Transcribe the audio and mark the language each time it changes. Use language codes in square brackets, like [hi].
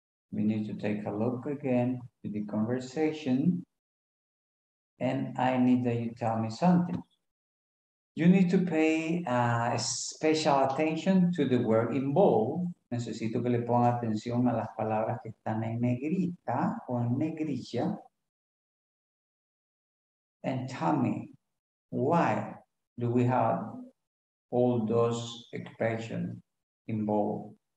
[en] We need to take a look again to the conversation. And I need that you tell me something. You need to pay special attention to the word involved. [es] Necesito que le ponga atención a las palabras que están en negrita o en negrilla. [en] And tell me, why do we have all those expressions involved?